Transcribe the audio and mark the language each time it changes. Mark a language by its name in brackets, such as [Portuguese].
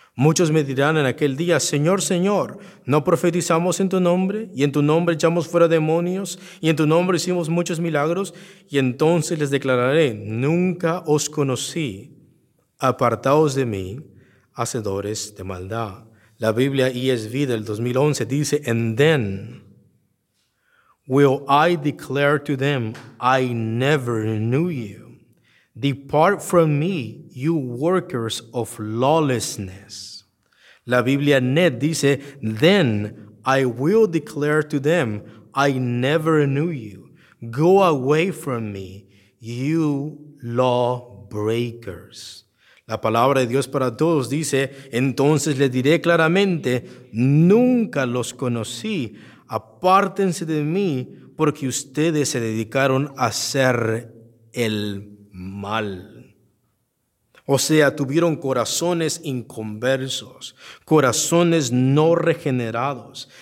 [Spanish] Muchos me dirán en aquel día, Señor, Señor, ¿no profetizamos en tu nombre? ¿Y en tu nombre echamos fuera demonios? ¿Y en tu nombre hicimos muchos milagros? Y entonces les declararé, nunca os conocí, apartaos de mí, hacedores de maldad. La Biblia ESV del 2011 dice, [English] and then will I declare to them, I never knew you. Depart from me, you workers of lawlessness. [Spanish] La Biblia NET dice, [English] then I will declare to them, I never knew you. Go away from me, you lawbreakers. [Spanish] La palabra de Dios para todos dice, entonces les diré claramente, nunca los conocí. Apártense de mí, porque ustedes se dedicaron a hacer el mal. O sea, tuvieron corazones inconversos, corazones no regenerados.